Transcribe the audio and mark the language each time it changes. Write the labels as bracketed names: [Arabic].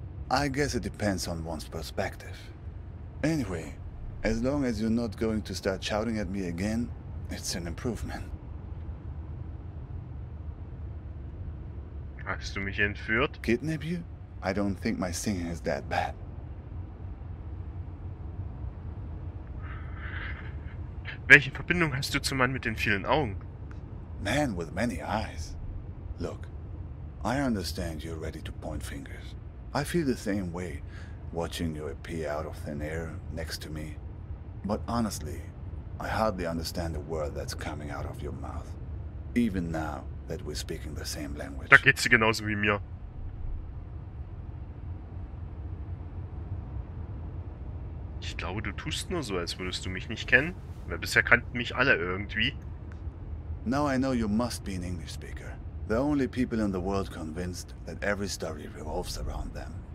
[English] I guess it depends on one's perspective. Anyway, as long as you're not going to start shouting at me again, it's an improvement. [German] Hast du mich entführt? [English] Kidnap you? I don't think my singing is that bad. [German] Welche Verbindung hast du zum Mann mit den vielen Augen? [English] Man with many eyes. Look, I understand you're ready to point fingers. I feel the same way watching you appear out of thin air next to me. But honestly, I hardly understand the word that's coming out of your mouth. Even now that we're speaking the same language. [German] Da geht's dir genauso wie mir. Ich glaube, du tust nur so, als würdest du mich nicht kennen, weil bisher kannten mich alle irgendwie. [English] Now I know you must be an English speaker. The only people in the world convinced that every story revolves around them.